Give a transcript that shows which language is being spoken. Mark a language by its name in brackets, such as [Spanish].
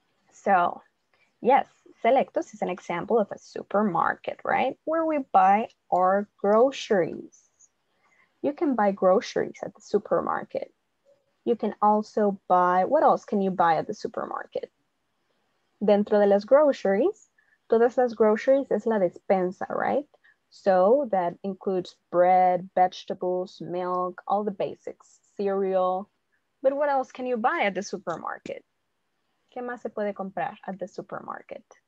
[English] So, yes, selectos is an example of a supermarket, right? Where we buy our groceries. You can buy groceries at the supermarket. You can also buy, what else can you buy at the supermarket? [Spanish] Dentro de las groceries, todas las groceries es la despensa, right? [English] So that includes bread, vegetables, milk, all the basics, cereal. But what else can you buy at the supermarket? [Spanish] ¿Qué más se puede comprar [English] at the supermarket?